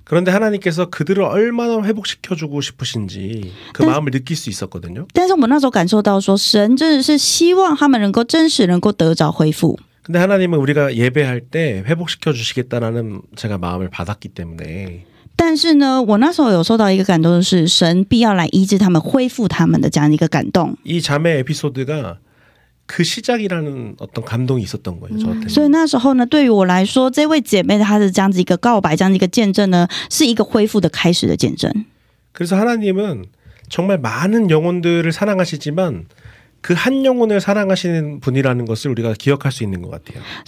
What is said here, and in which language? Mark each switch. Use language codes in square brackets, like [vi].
[ko] 그런데 하나님께서 그들을 얼마나 회복시켜주고 싶으신지 그 마음을 느낄 수 있었거든요. [zh] 但是我那时候感受到说神真的是希望他们能够真实能够得着恢复 [ko] 근데 하나님은 우리가 예배할 때 회복시켜 주시겠다라는 제가 마음을 받았기 때문에 [zh] 但是呢我那时候有受到一个感动是神必要来医治他们恢复他们的这样一个感动 [ko] 이 자매 에피소드가 그 시작이라는 어떤 감동이 있었던 거예요. 저한테. [zh] 所以那时候呢对于我来说这位姐妹她的这样子一个告白这样一个见证呢是一个恢复的开始的见证 [ko] 그래서 하나님은 정말 많은 영혼들을 사랑하시지만 그 한 영혼을 사랑하시는 분이라는 것을 우리가 기억할 수 있는 것 같아요.